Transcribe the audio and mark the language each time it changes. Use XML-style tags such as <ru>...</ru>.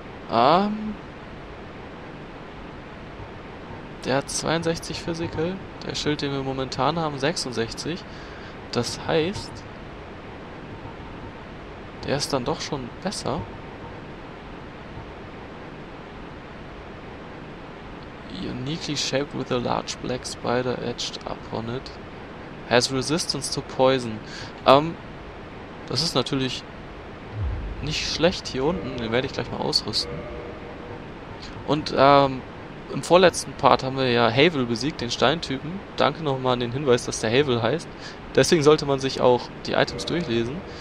<de>Der hat 62 Physical. Der Schild, den wir momentan haben, 66. Das heißt, der ist dann doch schon besser.</de> <en>Uniquely shaped with a large black spider etched upon it. Has resistance to poison.</en> <de>Das ist natürlich nicht schlecht hier unten. Den werde ich gleich mal ausrüsten. Und im vorletzten Part haben wir ja Havel besiegt, den Steintypen. Danke nochmal an den Hinweis, dass der Havel heißt. Deswegen sollte man sich auch die Items durchlesen.</de>